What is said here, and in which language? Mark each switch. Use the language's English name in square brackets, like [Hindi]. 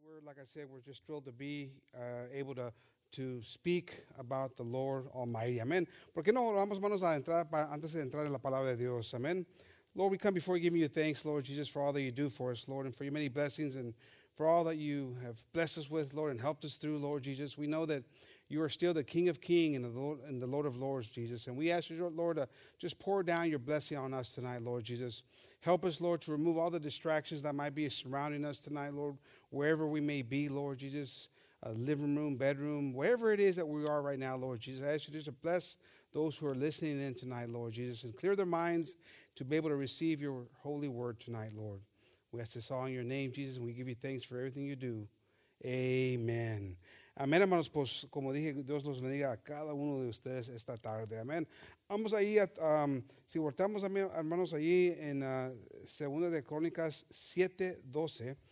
[English] like I said, we're just thrilled to be able to speak about the Lord Almighty. Amen. [Spanish] ¿Por qué no oramos, manos, a entrar antes de entrar en la palabra de Dios? [English] Amen. Lord, we come before giving you thanks, Lord Jesus, for all that you do for us, Lord, and for your many blessings and for all that you have blessed us with, Lord, and helped us through, Lord Jesus. We know that you are still the King of Kings and the Lord of Lords, Jesus. And we ask you, Lord, to just pour down your blessing on us tonight, Lord Jesus. Help us, Lord, to remove all the distractions that might be surrounding us tonight, Lord, wherever we may be, Lord Jesus, a living room, bedroom, wherever it is that we are right now, Lord Jesus. I ask you just to bless those who are listening in tonight, Lord Jesus, and clear their minds to be able to receive your holy word tonight, Lord. We ask this all in your name, Jesus, and we give you thanks for everything you do. Amen. [Spanish] Amén, hermanos, pues, como dije, Dios los bendiga a cada uno de ustedes esta tarde. Amén. Vamos ahí, si voltamos, hermanos, allí en Segunda de Crónicas 7:12.